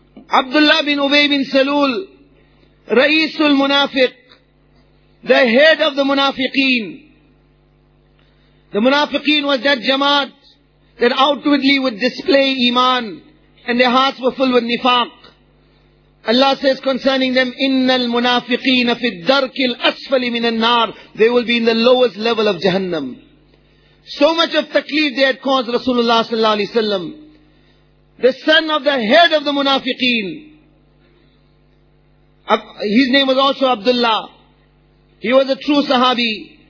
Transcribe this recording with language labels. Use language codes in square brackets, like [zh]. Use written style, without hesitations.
[en] Abdullah bin Ubay bin Salul, Ra'isul Munafiq, the head of the munafiqeen. The munafiqeen was that jamaat that outwardly would display iman and their hearts were full with nifaq. Allah says concerning them, [ar] إِنَّ الْمُنَافِقِينَ فِي الدَّرْكِ الْأَسْفَلِ مِنَ النَّارِ. [en] They will be in the lowest level of Jahannam. So much of takleef they had caused Rasulullah sallallahu alayhi wa sallam. The son of the head of the munafiqeen. His name was also Abdullah. He was a true sahabi.